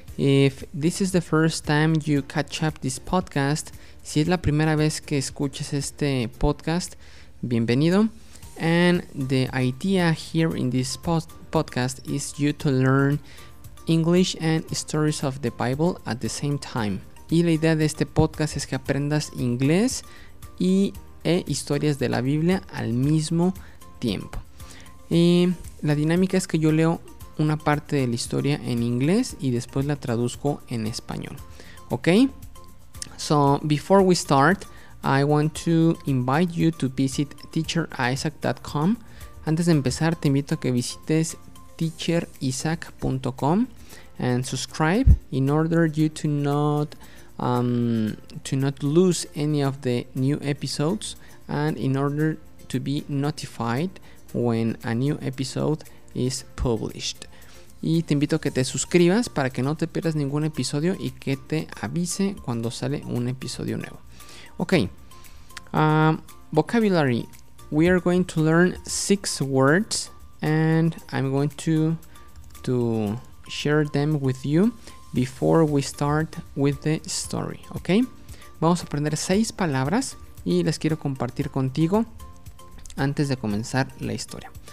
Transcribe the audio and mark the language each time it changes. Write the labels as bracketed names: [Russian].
[English] If this is the first time you catch up this podcast, [Spanish] si es la primera vez que escuchas este podcast, bienvenido. [English] And the idea here in this podcast is you to learn English and stories of the Bible at the same time. [Spanish] Y la idea de este podcast es que aprendas inglés y historias de la Biblia al mismo tiempo. Y la dinámica es que yo leo una parte de la historia en inglés y después la traduzco en español. [English] Okay? So, before we start, I want to invite you to visit teacherisaac.com. [Spanish] Antes de empezar, te invito a que visites teacherisaac.com [English] and subscribe in order you to not lose any of the new episodes and in order to be notified when a new episode is published. [Spanish] Y te invito a que te suscribas para que no te pierdas ningún episodio y que te avise cuando sale un episodio nuevo. [English] Ok, vocabulary. We are going to learn 6 words and I'm going to share them with you before we start with the story. [Spanish] Ok, vamos a aprender 6 palabras y las quiero compartir contigo antes de comenzar la historia.